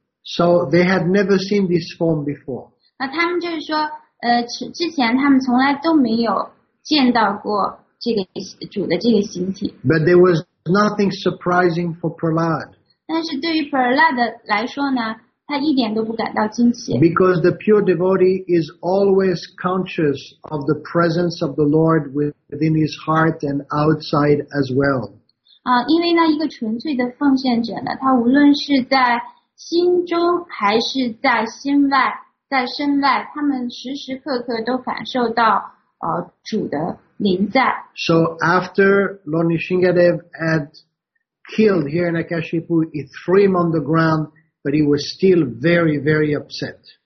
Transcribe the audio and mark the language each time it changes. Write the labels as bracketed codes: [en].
[en] So they had never seen this form before. [zh] 那他们就是说。之前他们从来都没有见到过这个主的这个形体。 [en] But there was nothing surprising for Prahlad. [zh] 但是对于 Prahlad 来说呢，他一点都不感到惊奇。 [en] Because the pure devotee is always conscious of the presence of the Lord within his heart and outside as well. [zh] 因为呢，一个纯粹的奉献者呢，他无论是在心中还是在心外。在身外，他们时时刻刻都感受到主的临在。 [en] So after Lord Nrisimhadev had killed Hiranyakashipu, he threw him on the ground, but he was still very, very upset.